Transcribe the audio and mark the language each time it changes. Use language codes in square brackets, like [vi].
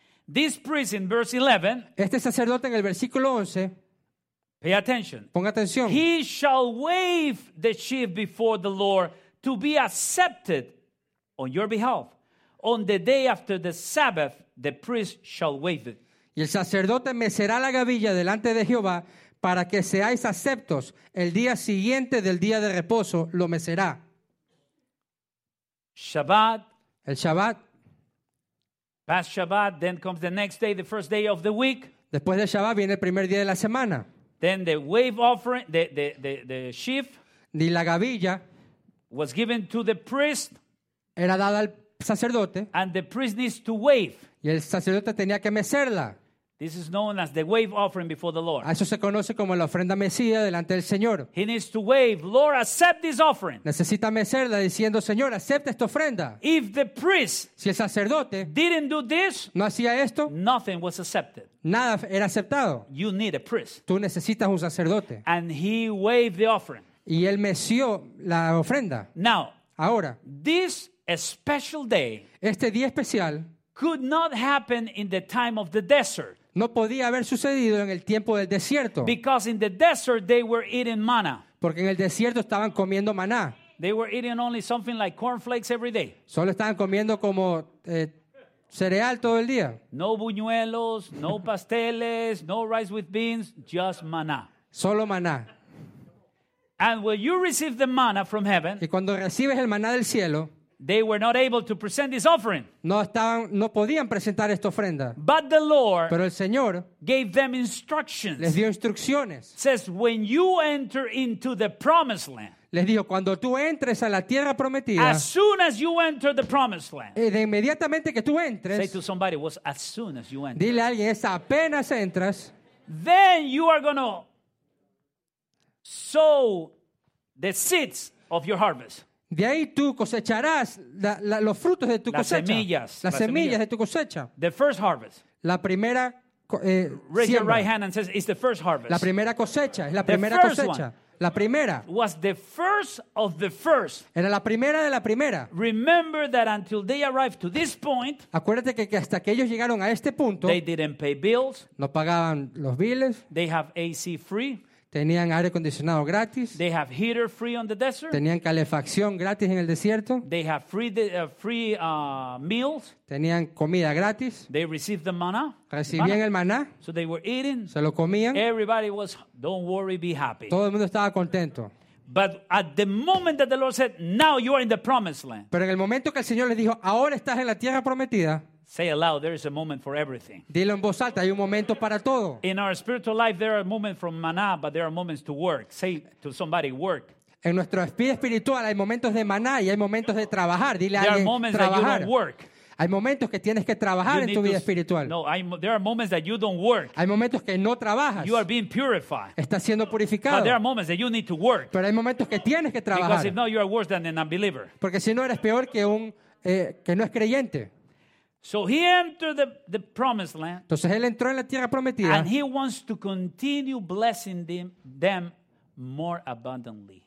[en] this priest in verse 11. [es] Este sacerdote en el versículo 11. [en] Pay attention. [es] Ponga atención. [en] He shall wave the sheaf before the Lord to be accepted on your behalf. On the day after the Sabbath, the priest shall wave it. [es] Y el sacerdote mecerá la gavilla delante de Jehová para que seáis aceptos el día siguiente del día de reposo. Lo mecerá. Shabbat. El Shabbat. [en] Past Shabbat, then comes the next day, the first day of the week. [es] Después de Shabbat viene el primer día de la semana. [en] Then the wave offering, the sheaf. [es] Y la gavilla. [en] Was given to the priest. [es] Era dada al sacerdote. [en] And the priest needs to wave. [es] Y el sacerdote tenía que mecerla. [en] This is known as the wave offering before the Lord. [es] A eso se conoce como la ofrenda mecida delante del Señor. [en] He needs to wave, Lord, accept this offering. [es] Necesita mecerla diciendo, Señor, acepta esta ofrenda. [en] If the priest, [es] si el sacerdote, [en] didn't do this, [es] no hacía esto, [en] nothing was accepted. [es] Nada era aceptado. [en] You need a priest. [es] Tú necesitas un sacerdote. [en] And he waved the offering. [es] Y él meció la ofrenda. [en] Now, [es] ahora, [en] this special day, [es] este día especial, [en] could not happen in the time of the desert. [es] No podía haber sucedido en el tiempo del desierto. [en] Because in the desert they were eating manna. [es] Porque en el desierto estaban comiendo maná. [en] They were eating only something like cornflakes every day. [es] Solo estaban comiendo como cereal todo el día. No buñuelos, no pasteles, no [en] rice with beans, just [es] maná. Solo maná. [en] And when you receive the manna from heaven, [es] y cuando recibes el maná del cielo, [en] they were not able to present this offering. [es] No estaban, no podían presentar esta ofrenda. [en] But the Lord, [es] pero el Señor, [en] gave them instructions. [es] Les dio instrucciones. [en] Says, when you enter into the promised land. [es] Les dijo, cuando tú entres a la tierra prometida. [en] As soon as you enter the promised land. [es] De inmediatamente que tú entres. [en] Say to somebody, was as soon as you enter. [es] Dile a alguien, es apenas entras. [en] Then you are going to sow the seeds of your harvest. [es] De ahí tú cosecharás los frutos de tu cosecha. Las semillas de tu cosecha. [en] The first harvest. [es] La primera [en] raise your right hand and says it's the first harvest. [es] La primera cosecha, es la [en] the [es] primera [en] first [es] cosecha. [en] One. [es] La primera. [en] Was the first of the first. [es] Era la primera de la primera. [en] Remember that until they arrived to this point. [es] Acuérdate que hasta que ellos llegaron a este punto. [en] They didn't pay bills. [es] No pagaban los biles. [en] They have AC free. [es] Tenían aire acondicionado gratis. [en] They have heater free on the desert. [es] Tenían calefacción gratis en el desierto. [en] They have free meals. [es] Tenían comida gratis. [en] They received the manna. [es] Recibían el maná. [en] So they were eating. [es] Se lo comían. [en] Everybody was, don't worry, be happy. [es] Todo el mundo estaba contento. [en] But at the moment that the Lord said, now you are in the promised land. [es] Pero en el momento que el Señor les dijo, ahora estás en la tierra prometida. [en] Say aloud, there is a moment for everything. [es] Dilo en voz alta, hay un momento para todo. [en] In our spiritual life, there are moments from maná, but there are moments to work. Say to somebody, work. [es] En nuestro espíritu espiritual, hay momentos de maná y hay momentos de trabajar. Dile a alguien, trabajar. [en] There are moments that you don't work. [es] Hay momentos que tienes que trabajar en tu vida espiritual. [en] No, there are moments that you don't work. [es] Hay momentos que no trabajas. [en] You are being purified. [es] Estás siendo purificado. [en] But there are moments that you need to work. [es] Pero hay momentos que tienes que trabajar. [en] Because if not, you are worse than an unbeliever. [es] Porque si no, eres peor que un que no es creyente. [en] So he entered the promised land. [es] Entonces él entró en la tierra prometida. [en] And he wants to continue blessing them more abundantly.